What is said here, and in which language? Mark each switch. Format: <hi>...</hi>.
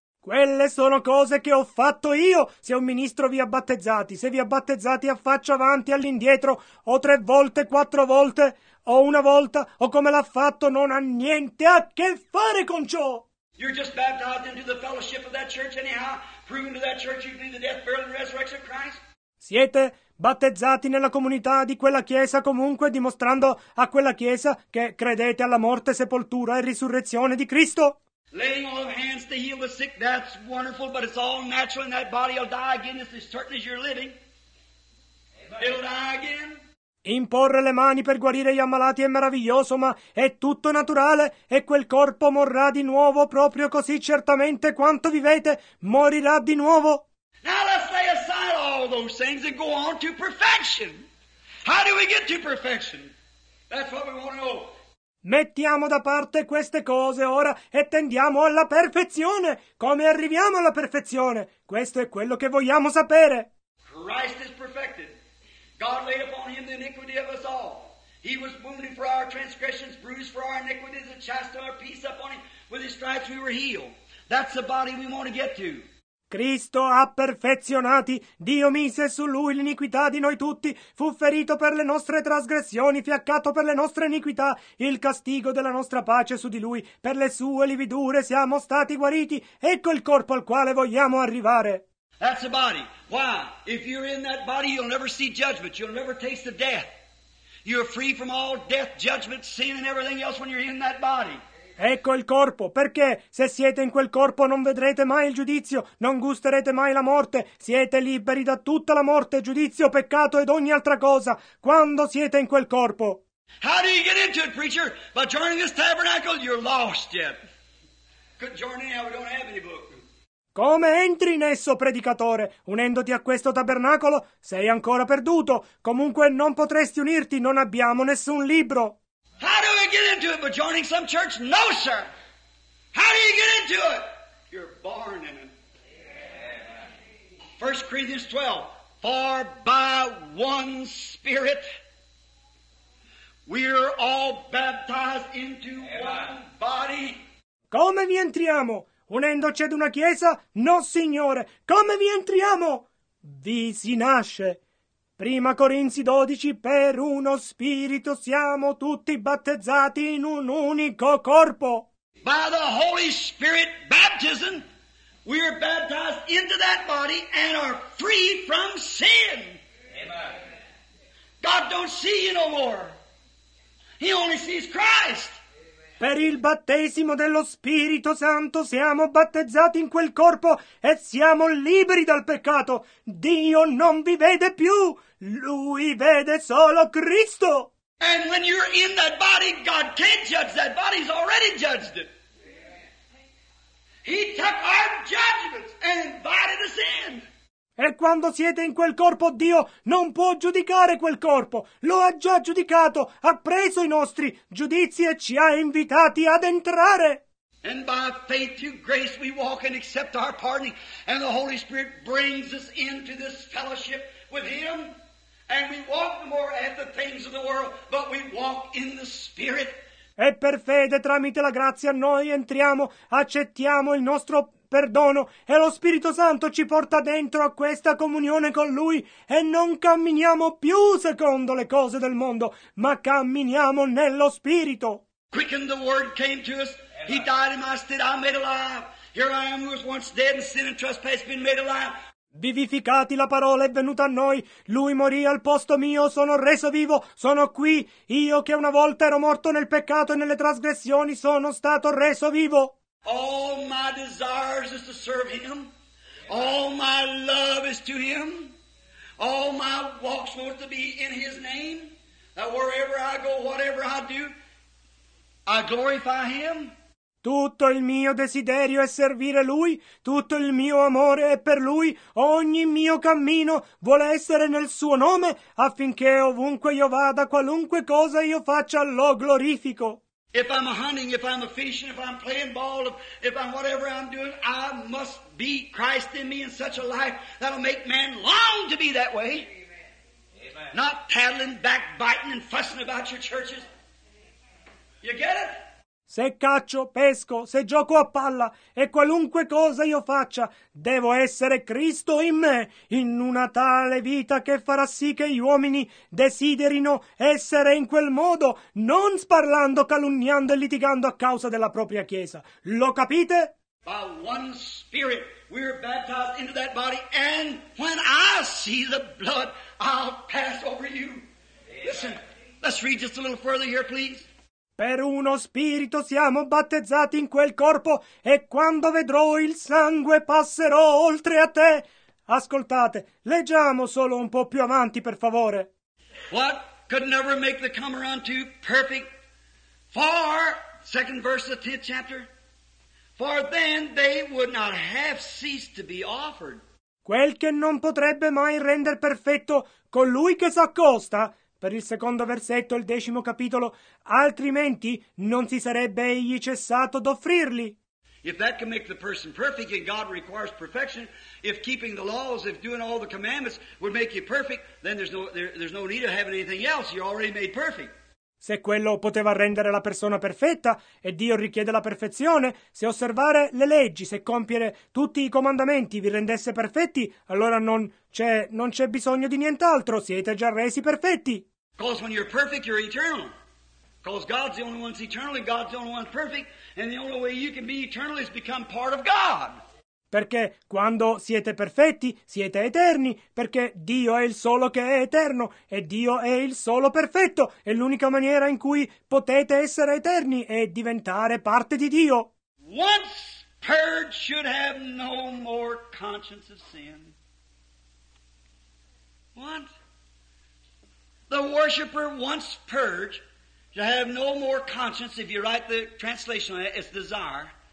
<it>Quelle sono cose che ho fatto io, se un ministro vi ha battezzati, se vi ha battezzati a faccia avanti, all'indietro, o tre volte, quattro volte, o una volta, o come l'ha fatto, non ha niente a che fare con ciò.</it> <en>You're just baptized into the fellowship of that church anyhow, proving to that church you've been the death, burial, and resurrection of Christ.</en> <it>Siete battezzati nella comunità di quella chiesa comunque, dimostrando a quella chiesa che credete alla morte, sepoltura e risurrezione di Cristo.</it> <en>Laying all of hands to heal the sick, that's wonderful, but it's all natural and that body will die again, it's as certain as you're living. Amen. It'll die again.</en> <it>Imporre le mani per guarire gli ammalati è meraviglioso, ma è tutto naturale e quel corpo morrà di nuovo proprio così certamente quanto vivete, morirà di nuovo.</it> <en>Now let's lay aside all those things and go on to perfection. How do we get to perfection? That's what we want to know.</en> <it>Mettiamo da parte queste cose ora e tendiamo alla perfezione. Come arriviamo alla perfezione? Questo è quello che vogliamo sapere.</it> <en>Christ is perfected. God laid upon him the iniquity of us all. He was wounded for our transgressions, bruised for our iniquities, and chastised our peace upon him. With his stripes we were healed. That's the body we want to get to.</en> <it>Cristo ha perfezionati, Dio mise su Lui l'iniquità di noi tutti, fu ferito per le nostre trasgressioni, fiaccato per le nostre iniquità, il castigo della nostra pace su di Lui, per le sue lividure siamo stati guariti, ecco il corpo al quale vogliamo arrivare.</it> <en>That's the body. Why? If you're in that body you'll never see judgment, you'll never taste the death. You're free from all death, judgment, sin and everything else when you're in that body.</en> <it>Ecco il corpo, perché se siete in quel corpo non vedrete mai il giudizio, non gusterete mai la morte, siete liberi da tutta la morte, giudizio, peccato ed ogni altra cosa, quando siete in quel corpo.</it> <en>How do you get into it, preacher? By joining this tabernacle, you're lost yet. Couldn't join in, we don't have any book.</en> <it>Come entri in esso, predicatore? Unendoti a questo tabernacolo, sei ancora perduto, comunque non potresti unirti, non abbiamo nessun libro.</it> <en>How do we get into it by joining some church? No, sir. How do you get into it? You're born in it. 1 Corinthians 12. For by one Spirit we're all baptized into one body.</en> <it>Come vi entriamo? Unendoci ad una chiesa? No, signore. Come vi entriamo? Vi si nasce. Prima Corinzi 12, per uno spirito siamo tutti battezzati in un unico corpo.</it> <en>By the Holy Spirit baptism, we are baptized into that body and are free from sin. Amen. God don't see you no more. He only sees Christ.</en> <it>Per il battesimo dello Spirito Santo siamo battezzati in quel corpo e siamo liberi dal peccato. Dio non vi vede più, Lui vede solo Cristo.</it> <en>And when you're in that body, God can't judge that body, He's already judged it. He took our judgments and invited us in.</en> <it>E quando siete in quel corpo, Dio non può giudicare quel corpo. Lo ha già giudicato, ha preso i nostri giudizi e ci ha invitati ad entrare.</it> <en>And by faith to grace we walk and accept our pardoning. And the Holy Spirit brings us into this fellowship with Him. And we walk no more at the things of the world, but we walk in the Spirit.</en> <it>E per fede, tramite la grazia, noi entriamo, accettiamo il nostro perdono e lo Spirito Santo ci porta dentro a questa comunione con Lui e non camminiamo più secondo le cose del mondo, ma camminiamo nello Spirito.</it> <en>Quicken the word came to us. He died in my stead, I'm made alive. Here I am who was once dead in sin and trespass been made alive.</en> <it>Vivificati, la parola è venuta a noi. Lui morì al posto mio, sono reso vivo, sono qui. Io che una volta ero morto nel peccato e nelle trasgressioni sono stato reso vivo.</it> <en>All my desires is to serve Him. All my love is to Him. All my walks want to be in His name. That wherever I go, whatever I do, I glorify Him.</en> <it>Tutto il mio desiderio è servire Lui. Tutto il mio amore è per Lui. Ogni mio cammino vuole essere nel Suo nome, affinché ovunque io vada, qualunque cosa io faccia, lo glorifico.</it> <en>If I'm a hunting, if I'm a fishing, if I'm playing ball, if I'm whatever I'm doing, I must be Christ in me in such a life that'll make man long to be that way. Amen. Not paddling, backbiting, and fussing about your churches. You get it?</en> <it>Se caccio, pesco, se gioco a palla, e qualunque cosa io faccia, devo essere Cristo in me, in una tale vita che farà sì che gli uomini desiderino essere in quel modo, non sparlando, calunniando e litigando a causa della propria Chiesa. Lo capite?</it> <en>By one Spirit, we're baptized into that body, and when I see the blood, I'll pass over you. Listen, let's read just a little further here, please.</en> <it>Per uno spirito siamo battezzati in quel corpo e quando vedrò il sangue passerò oltre a te. Ascoltate, leggiamo solo un po' più avanti, per favore.</it> <en>What could never make the comer unto perfect. For, second verse of the 10th chapter, for then they would not have ceased to be offered.</en> <it>Quel che non potrebbe mai render perfetto colui che s'accosta, per il secondo versetto, il decimo capitolo, altrimenti non si sarebbe egli cessato d'offrirli.</it> <en>If that can make the person perfect, and God requires perfection, if keeping the laws, if doing all the commandments would make you perfect, then there's no need of having anything else. You're already made perfect.</en> <it>Se quello poteva rendere la persona perfetta, e Dio richiede la perfezione, se osservare le leggi, se compiere tutti i comandamenti vi rendesse perfetti, allora non c'è bisogno di nient'altro, siete già resi perfetti.</it> <en>Because when you're perfect, you're eternal. Because God's the only one's eternal and God's the only one's perfect, and the only way you can be eternal is become part of God.</en> <it>Perché quando siete perfetti, siete eterni, perché Dio è il solo che è eterno, e Dio è il solo perfetto, e l'unica maniera in cui potete essere eterni è diventare parte di Dio.</it> <en>Once purged should have no more conscience of sin. What? The worshipper once purged should have no more conscience, if you write the translation on it, it's desire.</en>